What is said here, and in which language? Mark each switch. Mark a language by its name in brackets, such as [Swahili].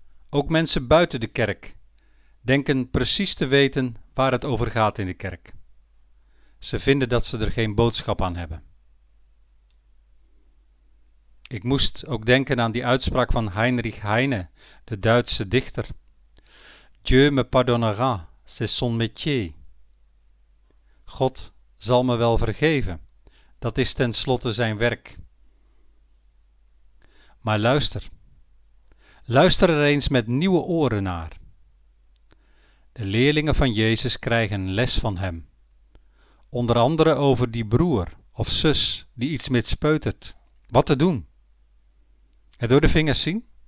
[Dutch] Ook mensen buiten de kerk denken precies te weten waar het over gaat in de kerk. Ze vinden dat ze er geen boodschap aan hebben. Ik moest ook denken aan die uitspraak van Heinrich Heine, de Duitse dichter. [French] Dieu me pardonnera, c'est son métier. [Dutch] God zal me wel vergeven, dat is tenslotte zijn werk. Maar luister, luister er eens met nieuwe oren naar. De leerlingen van Jezus krijgen les van hem. Onder andere over die broer of zus die iets mispeutert. Wat te doen? Het door de vingers zien?